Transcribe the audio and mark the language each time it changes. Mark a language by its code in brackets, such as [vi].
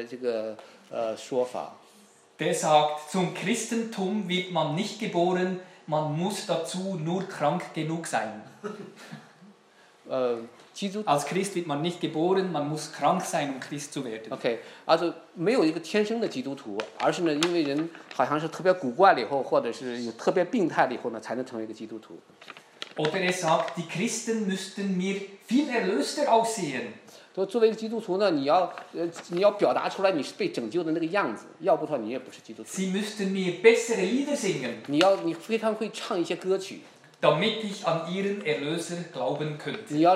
[zh] 那么我还看见一个就是尼采的这个说法。 [de] Der sagt, zum Christentum wird man nicht geboren, man muss dazu nur krank genug sein. Als Christ wird man nicht geboren, man muss krank sein, um Christ zu werden. [zh] Okay, also 没有一个天生的基督徒，而是呢，因为人好像是特别古怪了以后，或者是有特别病态了以后呢，才能成为一个基督徒。 [de] Oder er sagt, die Christen müssten mir viel erlöster aussehen. [zh] 作为基督徒呢，你要表达出来你是被拯救的那个样子，要不然你也不是基督徒。 [de] Sie müssten mir bessere Lieder singen. [zh] 你非常会唱一些歌曲。 [de] Damit ich an ihren Erlöser glauben könnte.